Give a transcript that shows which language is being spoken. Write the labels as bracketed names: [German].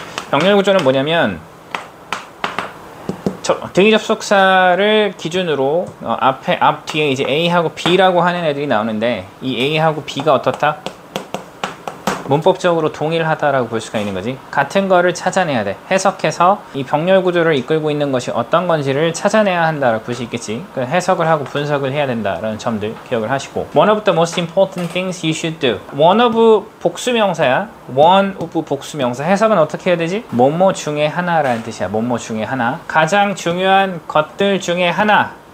[Korean] 병렬 구조는 뭐냐면 등이 접속사를 기준으로 앞에 앞 뒤에 이제 A하고 B라고 하는 애들이 나오는데 이 A하고 B가 어떻다? 문법적으로 동일하다라고 볼 수가 있는 거지. 같은 거를 찾아내야 돼. 해석해서 이 병렬 구조를 이끌고 있는 것이 어떤 건지를 찾아내야 한다라고 볼 수 있겠지. 그 해석을 하고 분석을 해야 된다라는 점들 기억을 하시고. [English] One of the most important things you should do. One of [Korean] 복수명사야. [English] One of [Korean] 복수명사. 해석은 어떻게 해야 되지? 뭐뭐 중에 하나라는 뜻이야. 뭐뭐 중에 하나. 가장 중요한 것들 중에 하나.